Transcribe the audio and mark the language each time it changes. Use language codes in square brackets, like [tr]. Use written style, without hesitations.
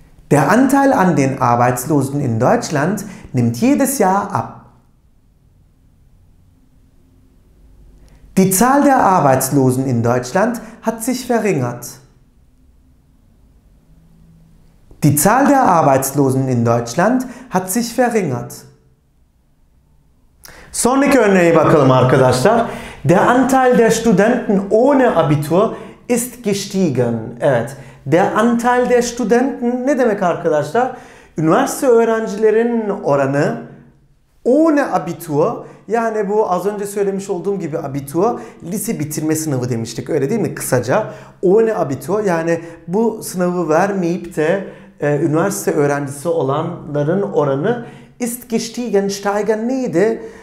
[de] Der Anteil an den Arbeitslosen in Deutschland nimmt jedes Jahr ab. Die Zahl der Arbeitslosen in Deutschland hat sich verringert. Die Zahl der Arbeitslosen in Deutschland hat sich verringert. [tr] Sonraki örneğe bakalım arkadaşlar. [de] Der Anteil der Studenten ohne Abitur ist gestiegen. [tr] Evet. [de] Der Anteil der Studenten [tr] ne demek arkadaşlar? Üniversite öğrencilerinin oranı [de] ohne Abitur, [tr] yani bu az önce söylemiş olduğum gibi Abitur lise bitirme sınavı demiştik, öyle değil mi? Kısaca [de] ohne Abitur, [tr] yani bu sınavı vermeyip de üniversite öğrencisi olanların oranı [de] ist gestiegen, [tr] steigen neydi?